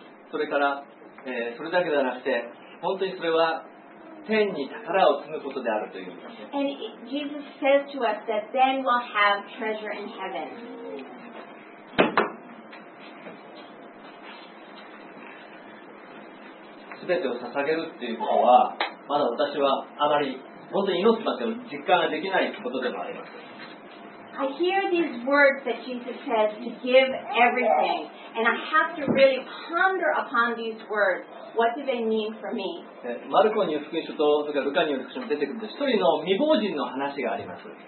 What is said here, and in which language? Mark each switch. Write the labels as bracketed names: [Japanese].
[Japanese] それから、それだけではなくて本当にそれは天に宝を積むことであるという。 [English] And Jesus says to us that then we'll have treasure in heaven. [Japanese] すべてを捧げるっていうことはまだ私はあまり本当に祈ってますけど実感ができないことでもあります。 [English] I hear these words that Jesus says to give everything, and I have to really ponder upon these words. What do they mean for me? [Japanese] マルコによる福音書とそれからルカによる福音書も出てくるんです。一人の未亡人の話があります。